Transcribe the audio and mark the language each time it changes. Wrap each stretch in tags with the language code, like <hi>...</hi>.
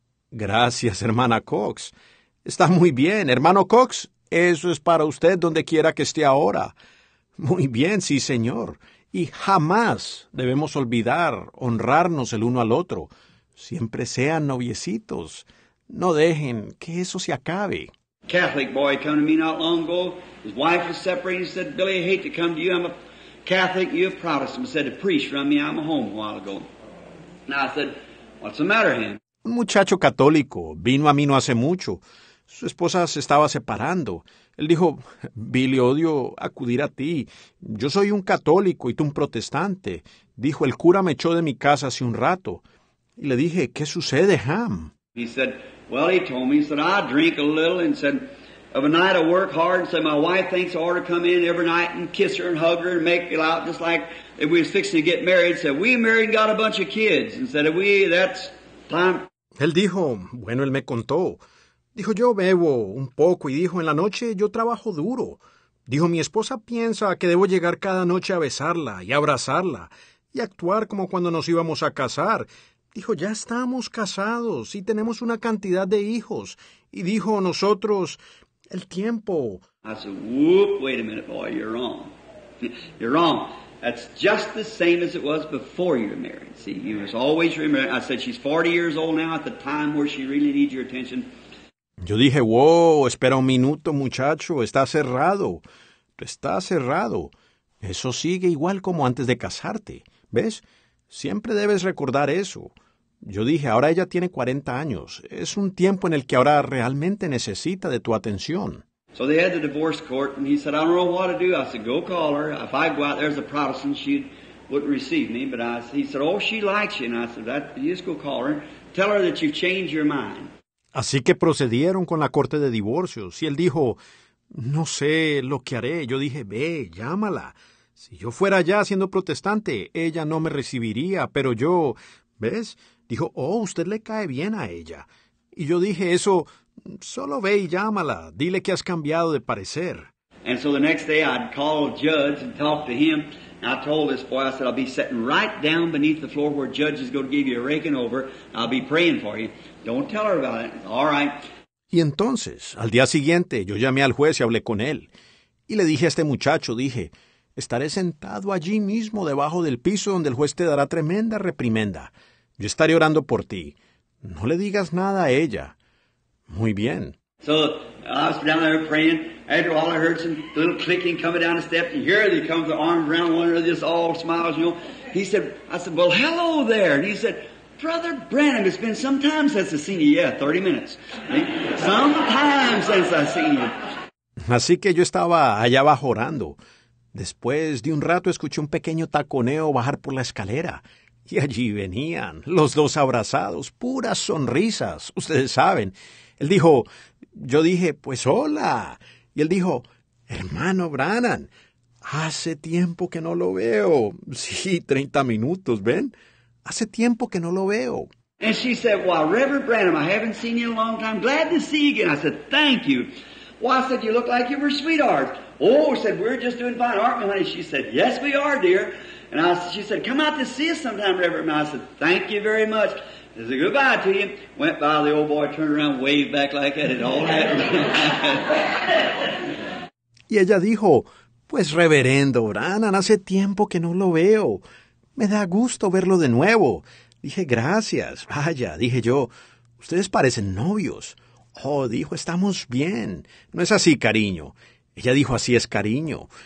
<es>Gracias, hermana Cox. Está muy bien. Hermano Cox, eso es para usted donde quiera que esté ahora. Muy bien, sí, señor. Y jamás debemos olvidar honrarnos el uno al otro. Siempre sean noviecitos. No dejen que eso se acabe.</es> <en>Catholic boy came to me not long ago. His wife was separated. He said, Billy, I hate to come to you. I'm a Catholic. You're a Protestant. He said, the priest run me out of my home a while ago. And I said, what's the matter, him?</en> <es>Un muchacho católico vino a mí no hace mucho. Su esposa se estaba separando. Él dijo, Billy, odio acudir a ti. Yo soy un católico y tú un protestante. Dijo, el cura me echó de mi casa hace un rato. Y le dije, ¿qué sucede, Ham?</es> <en>He said, well, he told me, he said, I drink a little, and said, of a night I work hard and say my wife thinks I ought to come in every night and kiss her and hug her and make it out just like if we was fixing to get married. Said, we married and got a bunch of kids. And said, we, that's time.</en> <es>Él dijo, bueno, él me contó. Dijo, yo bebo un poco y dijo, en la noche yo trabajo duro. Dijo, mi esposa piensa que debo llegar cada noche a besarla y abrazarla y actuar como cuando nos íbamos a casar. Dijo, ya estamos casados y tenemos una cantidad de hijos. Y dijo, nosotros, el tiempo.</es> <en>I said, whoop, wait a minute, boy, you're wrong. You're wrong. That's just the same as it was before you were married. See, you must always remember. I said, she's 40 years old now at the time where she really needs your attention.</en> <es>Yo dije, wow, espera un minuto, muchacho, está cerrado. Está cerrado. Eso sigue igual como antes de casarte. ¿Ves? Siempre debes recordar eso. Yo dije, ahora ella tiene 40 años. Es un tiempo en el que ahora realmente necesita de tu atención.</es> <en>So they had the divorce court, and he said, I don't know what to do. I said, go call her. If I go out there as a Protestant, she wouldn't receive me. But I, he said, oh, she likes you. And I said, that, you just go call her. Tell her that you've changed your mind.</en> <es>Así que procedieron con la corte de divorcios. Y él dijo, no sé lo que haré. Yo dije, ve, llámala. Si yo fuera allá siendo protestante, ella no me recibiría. Pero yo, ¿ves? Dijo, oh, usted le cae bien a ella. Y yo dije, eso, solo ve y llámala. Dile que has cambiado de parecer.</es> <en>And so the next day I'd call Judge and talk to him. And I told this boy, I said, I'll be sitting right down beneath the floor where Judge is going to give you a raking over. I'll be praying for you. Don't tell her about it. All right.</en> <es>Y entonces, al día siguiente, yo llamé al juez y hablé con él. Y le dije a este muchacho, dije, estaré sentado allí mismo debajo del piso donde el juez te dará tremenda reprimenda. Yo estaré orando por ti. No le digas nada a ella. Muy bien.</es> <en>So I was down there praying. After all, I heard some little clicking coming down the steps. And here they come with their arms around one another, just all smiles, you know. He said, I said, well, hello there. And he said, Brother Branham, it's been some time since I've seen you. Yeah, 30 minutes. Some time since I've seen you.</en> <es>Así que yo estaba allá abajo orando. Después de un rato escuché un pequeño taconeo bajar por la escalera. Y allí venían, los dos abrazados, puras sonrisas, ustedes saben. Él dijo, yo dije, pues hola. Y él dijo, hermano Branham, hace tiempo que no lo veo. Sí, 30 minutos, ¿ven? Hace tiempo que no lo veo.</es> <en>And she said, well, Reverend Branham, I haven't seen you in a long time. Glad to see you again. I said, thank you. Well, I said, you look like you were sweetheart. Oh, I said, we're just doing fine, aren't we, honey? She said, yes, we are, dear. And I, she said, come out to see us sometime, Reverend. And I said, thank you very much. I said, goodbye to you. Went by, the old boy turned around, waved back like that. It all happened.</en> <es>Y ella dijo, pues, Reverendo Branham, hace tiempo que no lo veo. Me da gusto verlo de nuevo. Dije, gracias. Vaya, dije yo, ustedes parecen novios. Oh, dijo, estamos bien. No es así, cariño. Ella dijo, así es, cariño.</es>